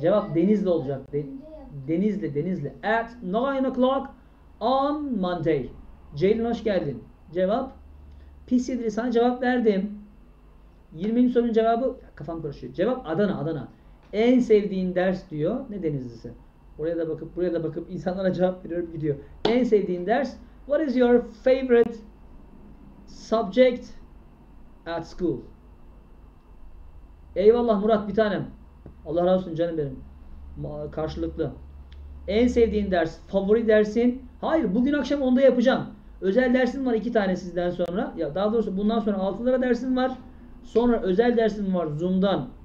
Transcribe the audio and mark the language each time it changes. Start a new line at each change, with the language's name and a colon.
Turkish: Cevap Denizli olacak. Denizli. Denizli.
English: At 9 o'clock on Monday.
Turkish: Ceylin hoş geldin. Cevap. Pis yediriz. Sana cevap verdim. 20. sorunun cevabı. Kafam karışıyor. Cevap Adana. Adana. En sevdiğin ders diyor. Ne Denizlisi? Oraya da bakıp buraya da bakıp insanlara cevap veriyorum gidiyor. En sevdiğin ders.
English: What is your favorite subject at school?
Turkish: Eyvallah Murat bir tanem. Allah razı olsun canım benim. Karşılıklı. En sevdiğin ders. Favori dersin. Hayır, bugün akşam onda yapacağım. Özel dersim var iki tane sizden sonra. Ya daha doğrusu bundan sonra 6 lira dersim var. Sonra özel dersim var Zoom'dan.